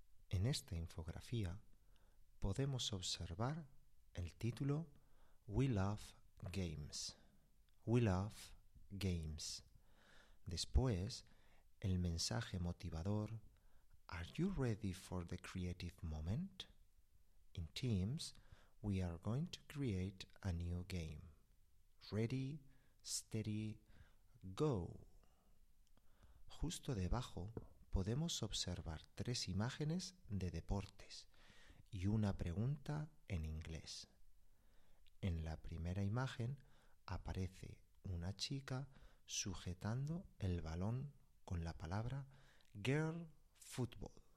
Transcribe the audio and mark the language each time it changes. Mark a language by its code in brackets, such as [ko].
[es] En esta infografía podemos observar el título We Love Games. [en] We Love Games. [es] Después, el mensaje motivador [en] Are you ready for the creative moment? In Teams, we are going to create a new game. Ready, steady, go. [es] Justo debajo podemos observar tres imágenes de deportes y una pregunta en inglés. En la primera imagen aparece una chica sujetando el balón con la palabra girl football.